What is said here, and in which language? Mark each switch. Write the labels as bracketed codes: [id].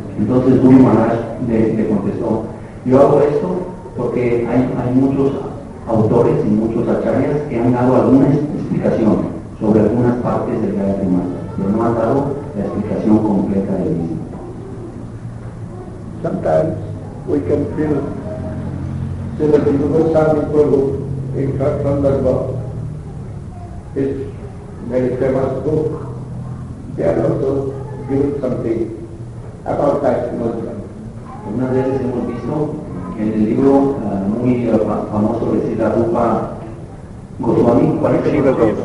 [es] Entonces Guru Maharaj le contestó, yo hago esto porque hay muchos autores y muchos acharyas que han dado alguna explicación sobre algunas partes del Gayatri Mantra, pero no han dado la explicación completa del mismo. [en] Sometimes we can feel that the Goswami Prabhu in Kathandarbha is very famous book. They are also giving something about that mantra. [es] Una vez hemos visto que en el libro muy famoso de Sri Rupa Goswami, ¿cuál es el libro?